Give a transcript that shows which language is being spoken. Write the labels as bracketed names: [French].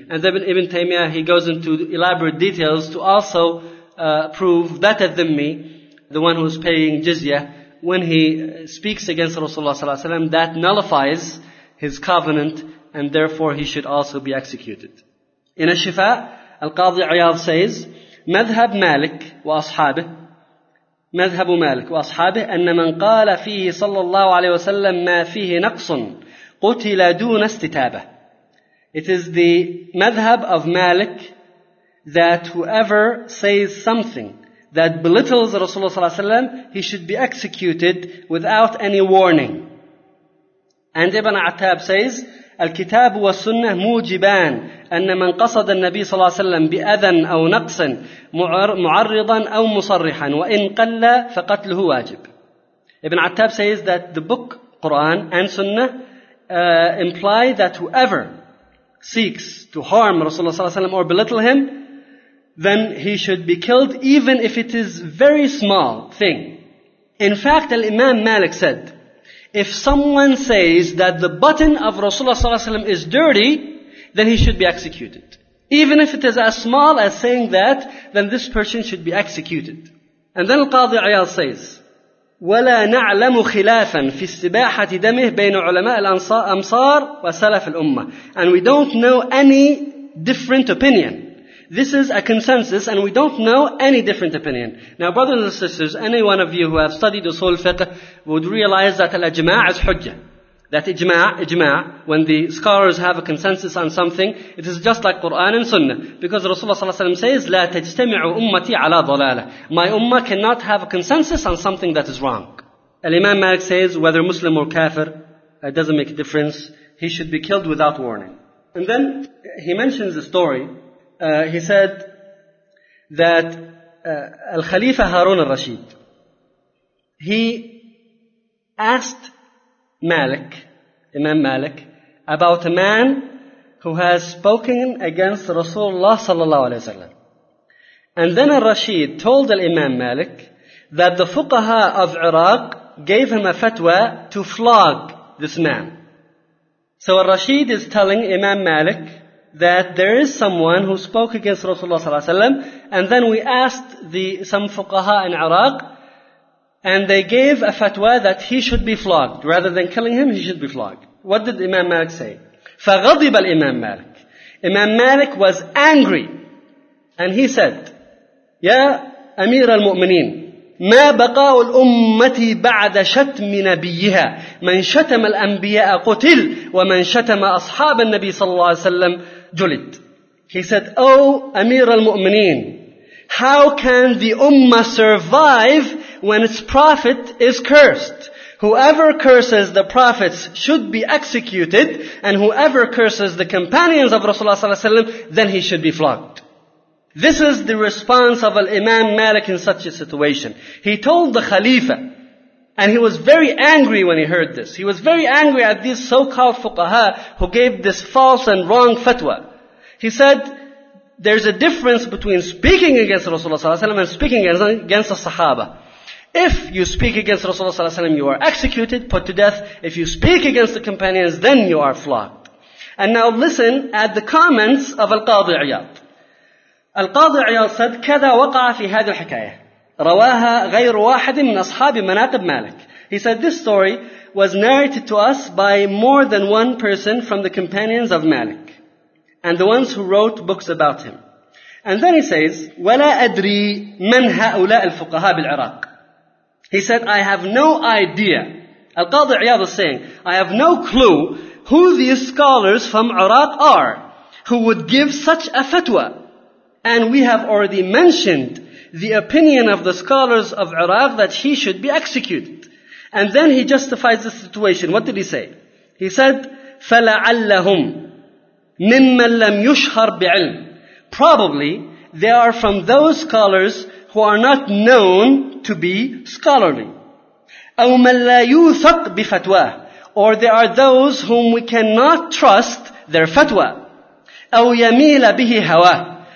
[English] And then Ibn Taymiyyah, he goes into elaborate details to also prove that a dhimmi, the one who's paying jizya, when he speaks against Rasulullah ﷺ, that nullifies his covenant, and therefore he should also be executed. In a shifa, Al-Qadi Iyad says, [Arabic] مذهب مالك وأصحابه مذهب مالك وأصحابه أن من قال فيه صلى الله عليه وسلم ما فيه نقص قتل دون استتابة. [English] It is the madhab of Malik that whoever says something that belittles Rasulullah صلى الله عليه وسلم, he should be executed without any warning. And Ibn Attab says, [Arabic] الكتاب والسنة موجبان أن من قصد النبي صلى الله عليه وسلم بأذى أو نقص معرضا أو مصرحا وإن قل فقتله واجب. [English] Ibn Attab says that the book Quran and Sunnah imply that whoever seeks to harm Rasulullah صلى الله عليه وسلم or belittle him, then he should be killed even if it is very small thing. In fact, Imam Malik said, if someone says that the button of Rasulullah ﷺ is dirty, then he should be executed. Even if it is as small as saying that, then this person should be executed. And then Al-Qadi Iyad says, [Arabic] وَلَا نَعْلَمُ خِلَافًا فِي اسْتِبَاحَةِ دَمِهِ بَيْنُ عُلَمَاءِ الْأَمْصَارِ وَسَلَفِ الْأُمَّةِ. [English] And we don't know any different opinion. This is a consensus, and we don't know any different opinion. Now, brothers and sisters, any one of you who have studied usul fiqh would realize that al-ajma' is hujjah. That ijma', when the scholars have a consensus on something, it is just like Quran and Sunnah. Because Rasulullah ﷺ says, [Arabic] لا تجتمع أمتي على ضلالة. [English] My ummah cannot have a consensus on something that is wrong. Al-Imam Malik says, whether Muslim or kafir, it doesn't make a difference. He should be killed without warning. And then he mentions a story. He said that Al-Khalifa Harun al-Rashid, he asked Malik, Imam Malik, about a man who has spoken against Rasulullah sallallahu alayhi wa sallam. And then al-Rashid told al-Imam Malik that the fuqaha of Iraq gave him a fatwa to flog this man. So al-Rashid is telling Imam Malik that there is someone who spoke against Rasulullah sallallahu alayhi wa sallam, and then we asked some fuqaha in Iraq, and they gave a fatwa that he should be flogged. Rather than killing him, he should be flogged. What did Imam Malik say? [Arabic] فَغَضِبَ الْإِمَامُ مَالِكُ. [English] Imam Malik was angry, and he said, [Arabic] يَا أَمِيرَ الْمُؤْمِنِينَ مَا بَقَاءُ الْأُمَّةِ بَعْدَ شَتْمِ نَبِيِّهَا مَنْ شَتَمَ الْأَنْبِيَاءَ قُتِلْ وَمَنْ شَتَمَ أَصْحَابَ النَّبِيِّ صَلَّى اللَّهُ عَلَيْهِ وَسَلَّمَ جُلِدْ. [English] He said, Oh, [Arabic] أمير المؤمنين, [English] how can the Ummah survive when its Prophet is cursed? Whoever curses the prophets should be executed, and whoever curses the companions of Rasulullah sallallahu alaihi wasallam, then he should be flogged. This is the response of Al-Imam Malik in such a situation. He told the Khalifa, and he was very angry when he heard this. He was very angry at these so-called fuqaha who gave this false and wrong fatwa. He said, there's a difference between speaking against Rasulullah sallallahu alaihi wasallam and speaking against the Sahaba. If you speak against Rasulullah sallallahu alaihi wasallam, you are executed, put to death. If you speak against the companions, then you are flogged. And now listen at the comments of Al-Qadhi Iyad. Al-Qadhi Iyad said, [Arabic] كذا وقع في هذه الحكاية رواها غير واحد من أصحاب مناقب مالك. [English] He said, this story was narrated to us by more than one person from the companions of Malik, and the ones who wrote books about him. And then he says, [Arabic] ولا أدري من هؤلاء الفقهاء بالعراق. [English] He said, I have no idea. Al-Qadhi Iyad was saying, I have no clue who these scholars from Iraq are who would give such a fatwa. And we have already mentioned the opinion of the scholars of Iraq that he should be executed. And then he justifies the situation. What did he say? He said, [Arabic] فَلَعَلَّهُمْ مِمَّنْ لَمْ يُشْهَرْ بِعِلْمِ. [English] Probably, they are from those scholars who are not known to be scholarly. [Arabic] أَوْ مَنْ لَا يُوثَقْ بِفَتْوَاهِ. [English] Or they are those whom we cannot trust their fatwa. [Arabic] أَوْ يَمِيلَ بِهِ هَوَاهِ.